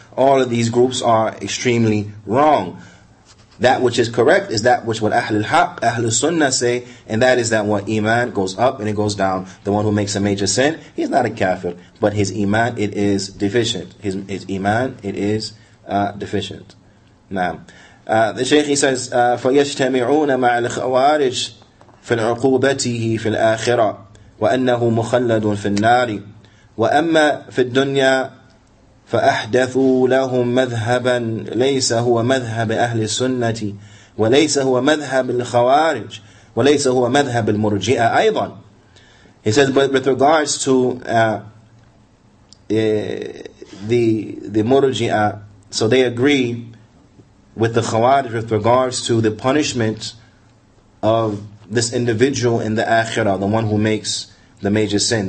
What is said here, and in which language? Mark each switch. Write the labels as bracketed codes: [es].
[en] All of these groups are extremely wrong. That which is correct is that which what Ahlul Haq, Ahlul Sunnah say, and that is that what Iman goes up and it goes down. The one who makes a major sin, he's not a kafir, but his Iman, it is deficient. His Iman, it is deficient. Now, the Shaykh, he says, [ar] فَيَجْتَمِعُونَ مَعَ الْخَوَارِجِ فِي الْعُقُوبَتِهِ فِي الْآخِرَةِ وَأَنَّهُ مُخَلَّدٌ فِي النَّارِ وَأَمَّا فِي الدُّنْيَا فأحدثوا لهم مذهبا ليس هو مذهب أهل السنة وليس هو مذهب الخوارج وليس هو مذهب المرجئة أيضا. [en] He says, but with regards to the murji'a, so they agree with the khawarij with regards to the punishment of this individual in the akhirah, the one who makes the major sin.